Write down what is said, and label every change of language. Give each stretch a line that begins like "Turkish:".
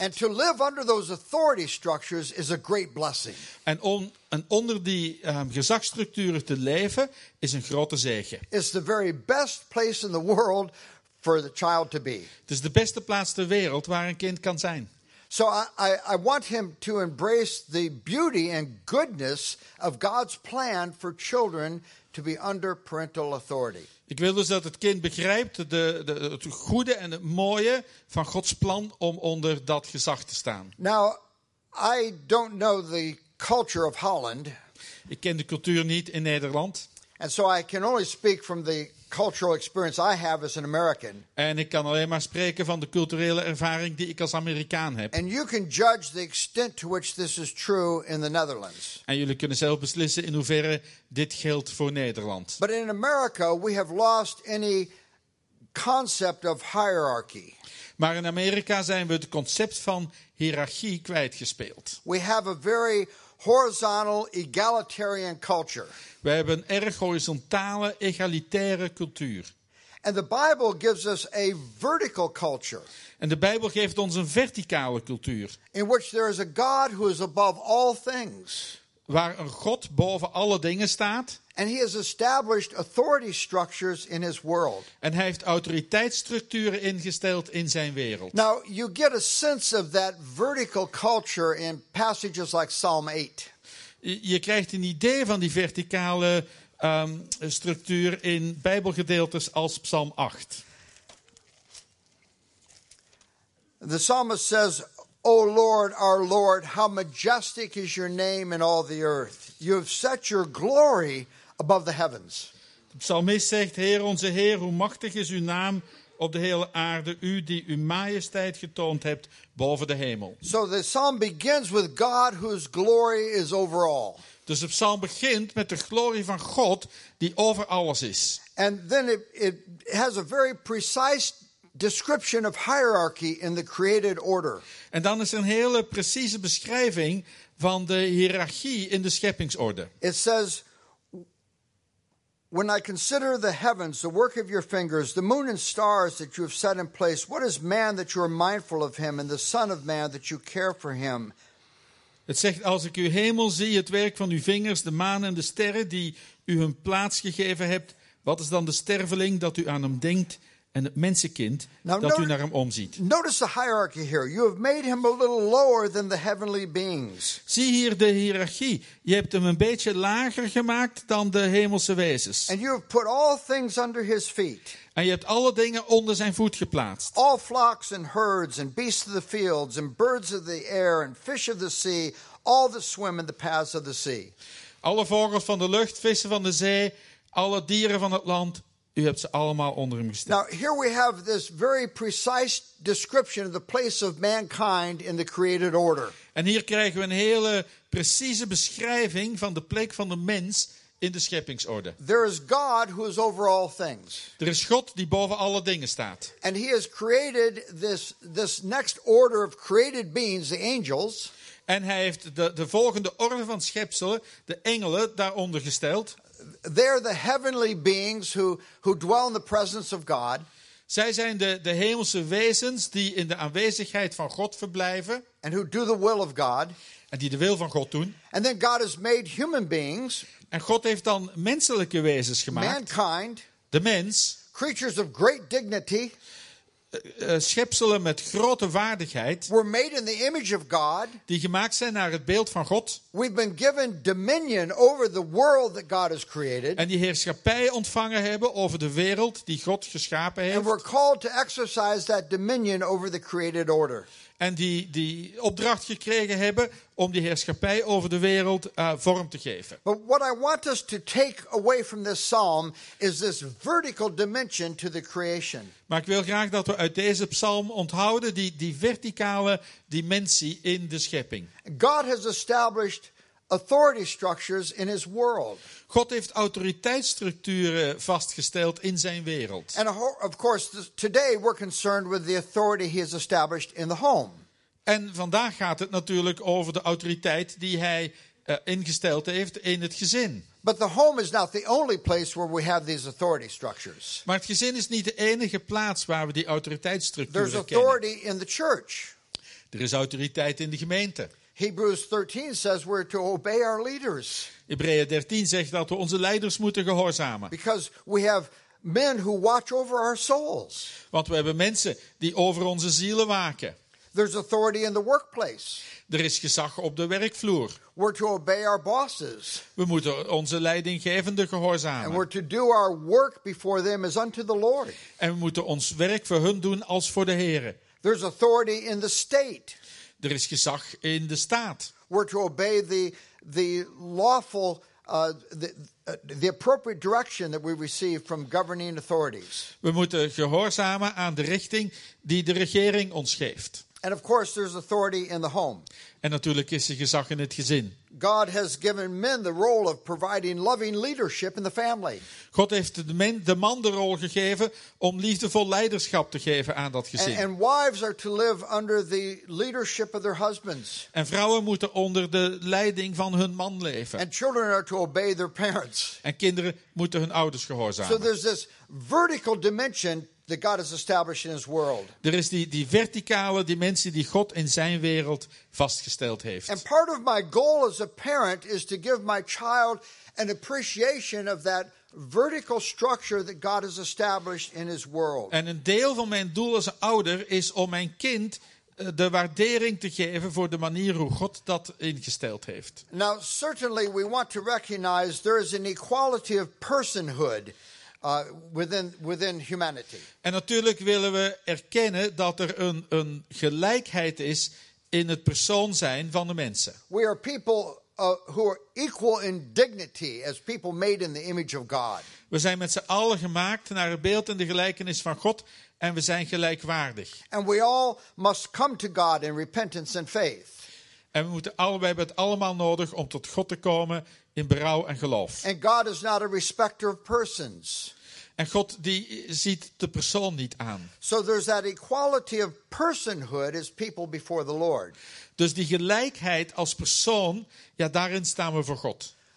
English: And to live under those authority structures is a great blessing.
Dutch: En onder die gezagsstructuren te leven is een grote zegen.
English: It's the very best place in the world for the child to be.
Dutch: Het is de beste plaats ter wereld waar een kind kan zijn.
English: So I want him to embrace the beauty and goodness of God's plan for children to be under parental authority.
Dutch: Ik wil dus dat het kind begrijpt het goede en het mooie van Gods plan om onder dat gezag te staan.
English: Now, I don't know the culture of Holland.
Dutch: Ik ken de cultuur niet in Nederland.
English: And so I can only speak from the cultural experience I have as an American.
Dutch: En ik kan alleen maar spreken van de culturele ervaring die ik als Amerikaan heb.
English: And you can judge the extent to which this is true in the Netherlands.
Dutch: En jullie kunnen zelf beslissen in hoeverre dit geldt voor Nederland.
English: But in America we have lost any concept of hierarchy.
Dutch: Maar in Amerika zijn we het concept van hiërarchie kwijtgespeeld.
English: We have a very horizontal, egalitarian culture.
Dutch: We hebben een erg horizontale, egalitaire cultuur.
English: And the Bible gives us a vertical culture.
Dutch: En de Bijbel geeft ons een verticale cultuur.
English: In which there is a God who is above all things.
Dutch: waar een God boven alle dingen staat.
English: And he has established authority structures in his world.
Dutch: En hij heeft autoriteitsstructuren ingesteld in zijn wereld.
English: Now you get a sense of that vertical culture in passages like Psalm 8.
Dutch: Je krijgt een idee van die verticale structuur in Bijbelgedeeltes als Psalm 8.
English: The psalmist says, O Lord, our Lord, how majestic is your name in all the earth. You have set your glory above the heavens.
Dutch: De psalmist zegt, Heer, onze Heer, hoe machtig is uw naam op de hele aarde, u die uw majesteit getoond hebt boven de hemel.
English: So the psalm begins with God whose glory is over all.
Dutch: Dus de psalm begint met de glorie van God die over alles is.
English: And then it has a very precise description of hierarchy in the created order.
Dutch: En dan is een hele precieze beschrijving van de hiërarchie in de scheppingsorde.
English: It says, when I consider the heavens, the work of your fingers, the moon and stars that you have set in place, what is man that you are mindful of him, and the son of man that you care for him?
Dutch: Het zegt, als ik uw hemel zie, het werk van uw vingers, de maan en de sterren die u hun plaats gegeven hebt, wat is dan de sterveling dat u aan hem denkt en het mensenkind
English: Now,
Dutch: dat u naar hem omziet?
English: Notice the hierarchy here. You have made him a little lower than the heavenly beings.
Dutch: Zie hier de hiërarchie. Je hebt hem een beetje lager gemaakt dan de hemelse wezens.
English: And you have put all things under his feet.
Dutch: En je hebt alle dingen onder zijn voet geplaatst.
English: All flocks and herds and beasts of the fields and birds of the air and fish of the sea, all that swim in the paths of the sea.
Dutch: Alle vogels van de lucht, vissen van de zee, alle dieren van het land. U hebt ze allemaal onder hem gesteld.
English: Now here we have this very precise description of the place of mankind in the created order.
Dutch: En hier krijgen we een hele precieze beschrijving van de plek van de mens in de scheppingsorde.
English: There is God who is over all things.
Dutch: Er is God die boven alle dingen staat.
English: And he has created this next order of created beings, the angels.
Dutch: En hij heeft de volgende orde van schepselen, de engelen, daaronder gesteld.
English: They're the heavenly beings who dwell in the presence of God.
Dutch: Zij zijn de hemelse wezens die in de aanwezigheid van God verblijven.
English: And who do the will of God.
Dutch: En die de wil van God doen.
English: And then God has made human beings.
Dutch: En God heeft dan menselijke wezens gemaakt.
English: Mankind.
Dutch: De mens.
English: Creatures of great dignity.
Dutch: Schepselen met grote waardigheid.
English: We're made in the image of God.
Dutch: Die gemaakt zijn naar het beeld van God.
English: We've been given dominion over the world that God has created.
Dutch: En die heerschappij ontvangen hebben over de wereld die God geschapen heeft.
English: And we're called to exercise that dominion over the created order.
Dutch: En die opdracht gekregen hebben om die heerschappij over de wereld vorm te geven.
English: But what I want us to take away from this psalm is this vertical dimension to the creation.
Dutch: Maar ik wil graag dat we uit deze psalm onthouden die verticale dimensie in de schepping.
English: God has established authority structures in his world.
Dutch: God heeft autoriteitsstructuren vastgesteld in zijn wereld.
English: And of course today we're concerned with the authority he has established in the home.
Dutch: En vandaag gaat het natuurlijk over de autoriteit die hij ingesteld heeft in het gezin.
English: But the home is not the only place where we have these authority structures.
Dutch: Maar het gezin is niet de enige plaats waar we die autoriteitsstructuren
English: There's
Dutch: kennen.
English: There's authority in the church.
Dutch: Er is autoriteit in de gemeente.
English: Hebrews 13 says we're to obey our leaders.
Dutch: Hebreeën 13 zegt dat we onze leiders moeten gehoorzamen.
English: Because we have men who watch over our souls.
Dutch: Want we hebben mensen die over onze zielen waken.
English: There's authority in the workplace.
Dutch: Er is gezag op de werkvloer.
English: We're to obey our bosses.
Dutch: We moeten onze leidinggevende gehoorzamen.
English: And we're to do our work before them as unto the Lord.
Dutch: En we moeten ons werk voor hun doen als voor de Heere.
English: There's authority in the state.
Dutch: Er is gezag in de staat.
English: We're to obey the appropriate direction that we receive from governing authorities.
Dutch: We moeten gehoorzamen aan de richting die de regering ons geeft.
English: And of course there's authority in the home.
Dutch: En natuurlijk is er gezag in het gezin.
English: God has given men the role of providing loving leadership in the family.
Dutch: God heeft de man de rol gegeven om liefdevol leiderschap te geven aan dat gezin.
English: And wives are to live under the leadership of their husbands.
Dutch: En vrouwen moeten onder de leiding van hun man leven.
English: And children are to obey their parents.
Dutch: En kinderen moeten hun ouders gehoorzamen.
English: So there's this vertical dimension that God has established in his world.
Dutch: Er is die verticale dimensie die God in zijn wereld vastgesteld heeft.
English: And part of my goal as a parent is to give my child an appreciation of that vertical structure that God has established in his world.
Dutch: En een deel van mijn doel als ouder is om mijn kind de waardering te geven voor de manier hoe God dat ingesteld heeft.
English: Now certainly we want to recognize there is an equality of personhood within humanity.
Dutch: En natuurlijk willen we erkennen dat er een gelijkheid is in het persoon zijn van de mensen.
English: We are people who are equal in dignity as people made in the image of God.
Dutch: We zijn met z'n allen gemaakt naar het beeld en de gelijkenis van God en we zijn gelijkwaardig.
English: And we all must come to God in repentance and faith.
Dutch: En we moeten allebei het allemaal nodig om tot God te komen in berouw en geloof.
English: And God is not a respecter of persons.
Dutch: En God die ziet de persoon niet aan.
English: So there's that equality of personhood as people before the Lord.
Dutch: Dus die gelijkheid als persoon, ja, daarin staan we voor God.